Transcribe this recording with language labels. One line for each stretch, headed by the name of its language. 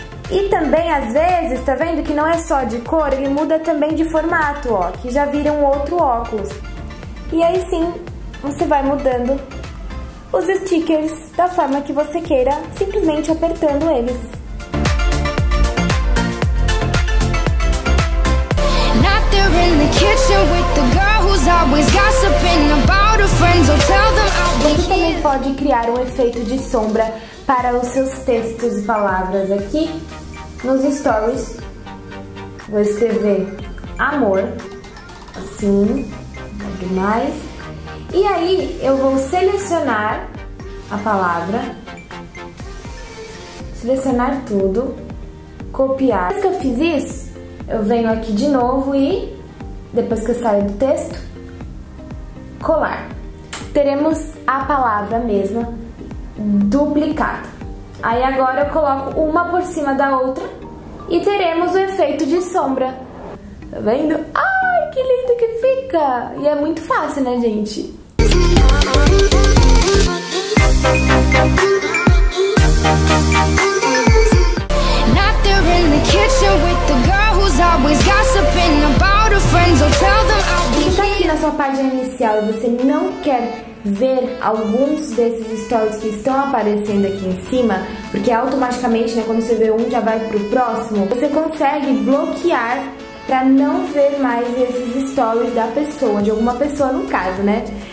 Portuguese: E também, às vezes, tá vendo que não é só de cor, ele muda também de formato, ó. Que já vira um outro óculos. E aí sim, você vai mudando os stickers da forma que você queira, simplesmente apertando eles.
English: Not there in the kitchen with the girl who's always gossiping about her friends. I'll tell them I'll...
Portuguese: Você também pode criar um efeito de sombra para os seus textos e palavras aqui nos stories. Vou escrever amor, assim, nada mais. E aí eu vou selecionar a palavra, selecionar tudo, copiar. Depois que eu fiz isso, eu venho aqui de novo e, depois que eu saio do texto, colar. Teremos a palavra mesma duplicada. Aí agora eu coloco uma por cima da outra e teremos o efeito de sombra. Tá vendo? Ai, que lindo que fica! E é muito fácil, né, gente?
English: Not there in the kitchen with the girl who's always gossiping about her friends. I'll tell them I'll be here.
Portuguese: Se você tá aqui na sua página inicial e você não quer ver alguns desses stories que estão aparecendo aqui em cima, porque automaticamente, né, quando você vê um, já vai pro próximo, você consegue bloquear para não ver mais esses stories da pessoa, de alguma pessoa no caso, né?